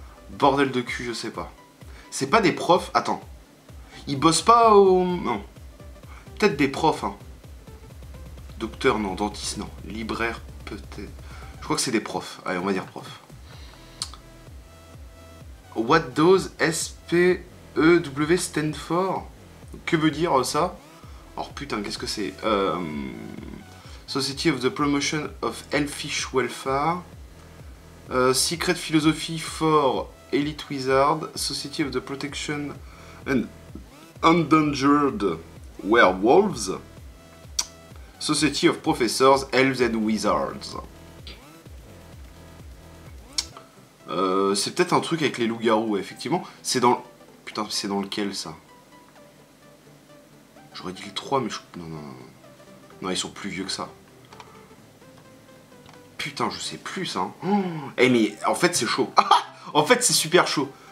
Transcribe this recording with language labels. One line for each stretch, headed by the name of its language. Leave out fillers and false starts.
French: Bordel de cul, je sais pas. C'est pas des profs? Attends. Ils bossent pas au... Non. Peut-être des profs, hein. Docteur, non. Dentiste, non. Libraire, peut-être. Je crois que c'est des profs. Allez, on va dire prof.
English: What does S-P-E-W stand for?
French: Que veut dire ça? Or putain, qu'est-ce que c'est?
English: Society of the Promotion of Elfish Welfare. Secret Philosophy for Elite Wizard. Society of the Protection and Endangered Werewolves. Society of Professors, Elves and Wizards.
French: C'est peut-être un truc avec les loups-garous, effectivement. C'est dans... Putain, c'est dans lequel, ça? J'aurais dit le 3, mais je... Non, non, non. Non, ils sont plus vieux que ça. Putain, je sais plus, ça. Eh, hey, mais en fait, c'est chaud. En fait, c'est super chaud.